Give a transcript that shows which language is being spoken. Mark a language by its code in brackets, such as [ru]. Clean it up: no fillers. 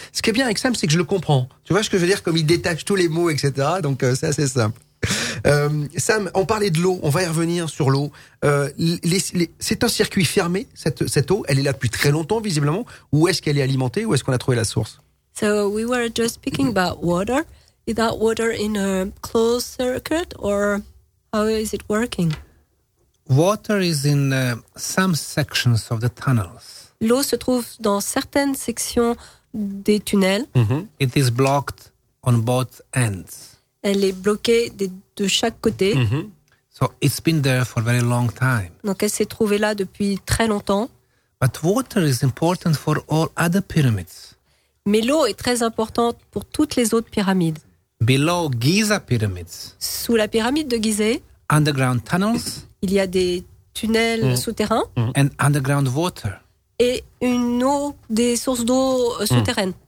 [fr] Ce qui est bien avec Sam, c'est que je le comprends. Tu vois ce que je veux dire, comme il détache tous les mots, etc. Donc c'est assez simple. Sam, on parlait de l'eau. On va y revenir sur l'eau. C'est un circuit fermé, cette eau. Elle est là depuis très longtemps, visiblement. Où est-ce qu'elle est alimentée? Où est-ce qu'on a trouvé la source? [en] So we were just speaking about water. Is that water in a closed circuit or how is it working? Water is in some sections of the tunnels. [fr] L'eau se trouve dans certaines sections des tunnels. [en] Mm-hmm. It is blocked on both ends. [fr] Elle est bloquée de chaque côté. Mm-hmm. [en] So it's been there for a very long time. [fr] Donc elle s'est trouvée là depuis très longtemps. [en] But water is important for all other pyramids. [fr] Mais l'eau est très importante pour toutes les autres pyramides. [en] Below Giza pyramids. [fr] Sous la pyramide de Gizeh. [en] Underground tunnels. [fr] Il y a des tunnels souterrains. [en] And underground water. [fr] Et une eau, des sources d'eau souterraines.